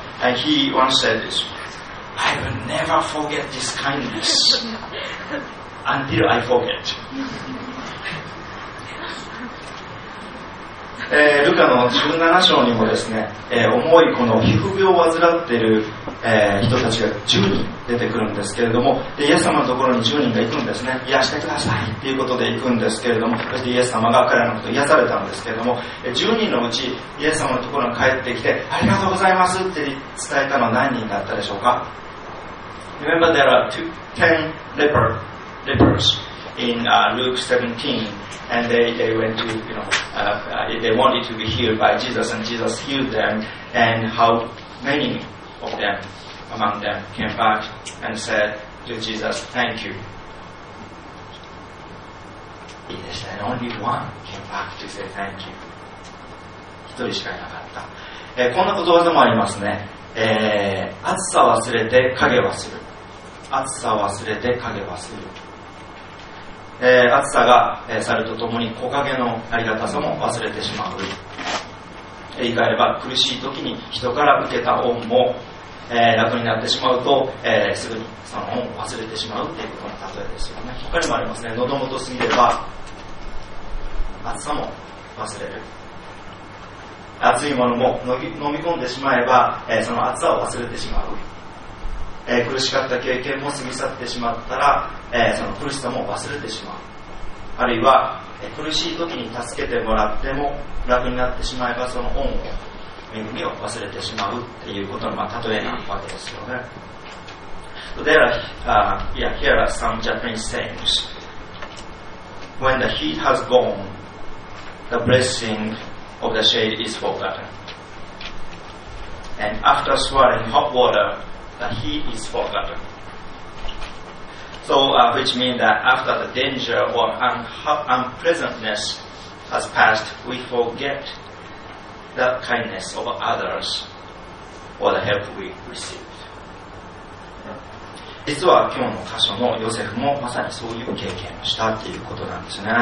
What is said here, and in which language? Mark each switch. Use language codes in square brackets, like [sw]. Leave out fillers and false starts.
[en] And he once said this, I will never forget this kindness until I forget. [ja] ルカの17章にもですね、重いこの皮膚病を患っている、人たちが10人出てくるんですけれども、でイエス様のところに10人が行くんですね。癒してくださいということで行くんですけれども、そしてイエス様が彼らのことを癒されたんですけれども、10人のうちイエス様のところに帰ってきて、ありがとうございますって伝えたのは何人だったでしょうか。 [en] Remember there are 10 lepers in Luke 17, and they went to, they wanted to be healed by Jesus, and Jesus healed them, and how many of them, among them, came back and said to Jesus, thank you. It is that only one came back to say thank you. [ja] 一人しかいなかった。こんなことわざもありますね。暑さ忘れて影はする。暑さ忘れて影はする。暑さが去るとともに木陰のありがたさも忘れてしまう。言い換えれば、苦しい時に人から受けた恩も、楽になってしまうと、すぐにその恩を忘れてしまうということの例えですよね。他にもありますね。喉元すぎれば暑さも忘れる。熱いものも飲み込んでしまえば、その暑さを忘れてしまう。苦しかった経験も過ぎ去ってしまったら、その苦しさも忘れてしまう。あるいは、苦しい時に助けてもらっても楽になってしまえば、その恩を恵みを忘れてしまうっていうことの、まあ、例えなわけですよね。 [en] So there are, here are some Japanese sayings. When the heat has gone, the blessing of the shade is forgotten. And after swallowing hot water, the heat is forgotten. So, which means that after the danger or unpleasantness has passed, we forget the kindness of others or the help we received. [ja] 実は今日の箇所のヨセフもまさにそういう経験をしたということなんですね。